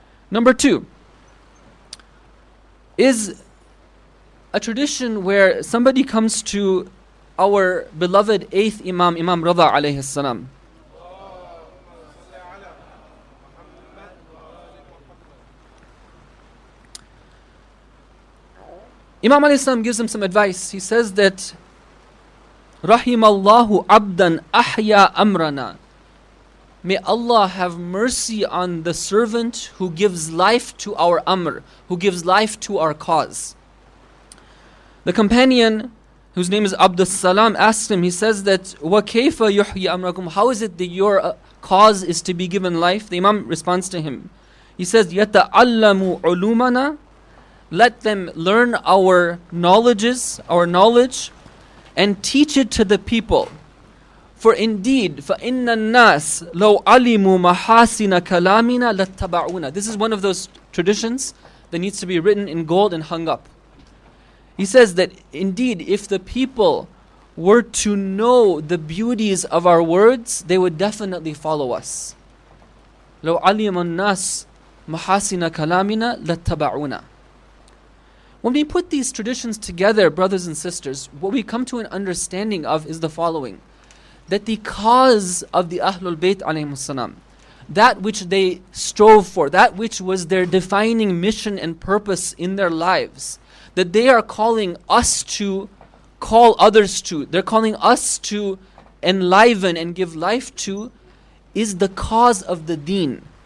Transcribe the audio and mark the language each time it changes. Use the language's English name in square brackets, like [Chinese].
[English] Number two is a tradition where somebody comes to our beloved 8th Imam, Imam Rida alayhi salam. Imam alayhi salam gives him some advice. He says that [Arabic] رَحِمَ اللَّهُ عَبْدًا أَحْيَا أَمْرَنَا. [English] May Allah have mercy on the servant who gives life to our amr, who gives life to our cause. The companion, whose name is Abdus Salam, asks him, he says that [Arabic] وَكَيْفَ يُحْيَ أَمْرَكُمْ. [English] How is it that your cause is to be given life? The Imam responds to him. He says [Arabic] يَتَعَلَّمُ عُلُومَنَا. [English] Let them learn our knowledge, and teach it to the people. For indeed, [Arabic] فَإِنَّ النَّاسِ لَوْ عَلِمُوا مَحَاسِنَ كَلَامِنَا لَتَّبَعُونَ. [English] This is one of those traditions that needs to be written in gold and hung up. He says that indeed, if the people were to know the beauties of our words, they would definitely follow us. [Arabic] لو علم الناس محاسن كلامنا لتبعونا. [English] When we put these traditions together, brothers and sisters, what we come to an understanding of is the following: that the cause of the Ahlul Bayt alayhimus salam, that which they strove for, that which was their defining mission and purpose in their lives, that they are calling us to call others to, they're calling us to enliven and give life to, is the cause of the deen.